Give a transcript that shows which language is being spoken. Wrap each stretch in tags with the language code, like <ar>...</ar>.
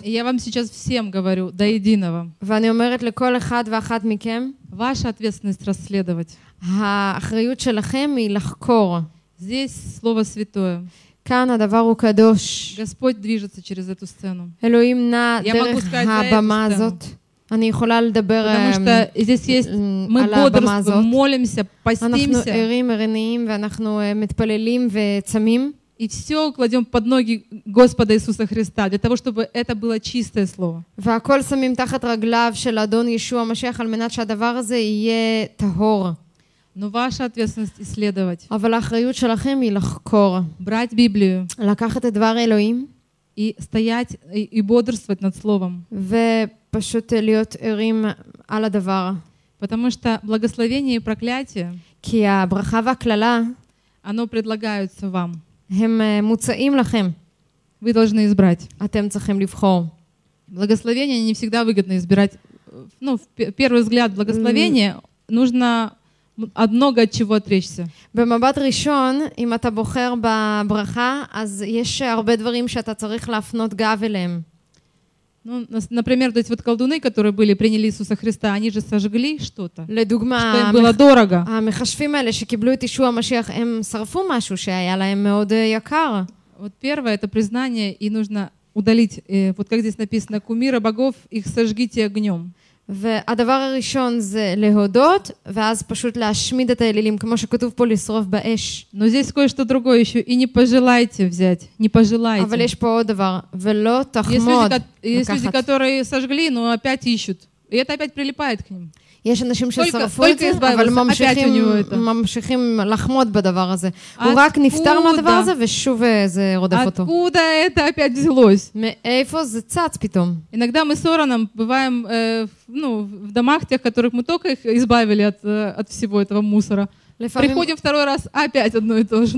<ru>Я вам сейчас всем говорю, до единого.</ru> <he>ואני אומרת לכל אחד ואחת מכם,</he> <ru>ваша ответственность расследовать.</ru> <he>האחריות שלכם היא לחקור.</he> <ru>Здесь слово святое.</ru> <he>כאן הדבר הוא קדוש.</he> <ru>Господь движется через эту сцену.</ru> <he>אלוהים נע דרך הבמה הזאת. אני יכולה לדבר על הבמה הזאת.</he> <ru>Потому что здесь есть, мы бодрствуем, молимся, постимся.</ru> <he>אנחנו ערים, ערניים, ואנחנו מתפללים וצמים.</he> <ru>И все кладем под ноги Господа Иисуса Христа, для того, чтобы это было чистое слово.</ru> <he>והכל שמים תחת רגליו של אדון ישוע המשיח, על מנת שהדבר הזה יהיה טהור.</he> <ru>Но ваша ответственность исследовать.</ru> <he>אבל האחריות שלכם היא לחקור.</he> <ru>Брать Библию.</ru> <he>לקחת את דבר אלוהים.</he> <ru>И стоять, и бодрствовать над словом.</ru> <he>ופשוט להיות ערים על הדבר.</he> <ru>Потому что благословение и проклятие,</ru> <he>כי הברכה והכללה,</he> <ru>оно предлагаются вам.</ru> <he>הם מוצאים לכם.</he> <ru>Вы должны избрать.</ru> <he>אתם צריכים לבחור.</he> <ru>Благословение не всегда выгодно избирать. Ну, в первый взгляд, благословение нужно от много от чего отречься.</ru> <he>במבט ראשון, אם אתה בוחר בברכה, אז יש הרבה דברים שאתה צריך להפנות גב אליהם.</he> <ru>Ну, например, то есть вот колдуны, которые были, приняли Иисуса Христа, они же сожгли что-то,</ru> <he>לדוגמה,</he> <ru>что им было дорого.</ru> <he>המחשפים האלה שקיבלו את ישוע המשיח, הם שרפו משהו שהיה להם מאוד יקר.</he> <ru>Вот первое, это признание, и нужно удалить, вот как здесь написано, кумира богов, их сожгите огнем.</ru> <he>והדבר הראשון זה להודות, ואז פשוט להשמיד את האלילים, כמו שכתוב פה, לשרוף באש.</he> <ru>Но здесь кое-что другое еще, и не пожелайте взять, не пожелайте.</ru> <he>אבל יש פה עוד דבר, ולא תחמוד.</he> <ru>Есть люди, которые сожгли, но опять ищут. И это опять прилипает к ним.</ru> <he>יש אנשים ששרפו את זה, אבל ממשיכים לחמוד בדבר הזה. הוא רק נפטר מהדבר הזה, ושוב זה רודף אותו.</he> <ru>Откуда это опять взялось?</ru> <he>מאיפה זה צץ פתאום?</he> <ru>Иногда мы с Ороном бываем, ну, в домах тех, которых мы только их избавили от всего этого мусора. Приходим второй раз, опять одно и то же.</ru>